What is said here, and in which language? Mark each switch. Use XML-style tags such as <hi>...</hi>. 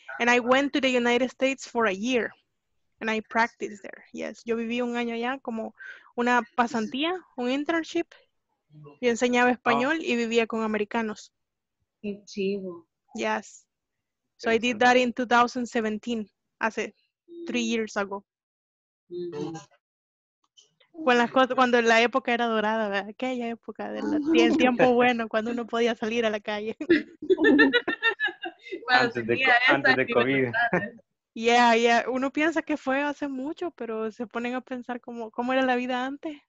<en>And I went to the United States for a year. And I practiced there. Yes,</en> <es>yo viví un año allá como una pasantía, un internship. Yo enseñaba español y vivía con americanos. Qué chivo.</es> <en>Yes. So I did that in 2017,</en> <es>hace</es> <en>3 years ago. Mm-hmm.</en> <es>Cuando la época era dorada, ¿verdad? Aquella época del el tiempo bueno, cuando uno podía salir a la calle. antes de COVID.</es> <en>Yeah.</en> <es>Uno piensa que fue hace mucho, pero se ponen a pensar cómo era la vida antes.</es>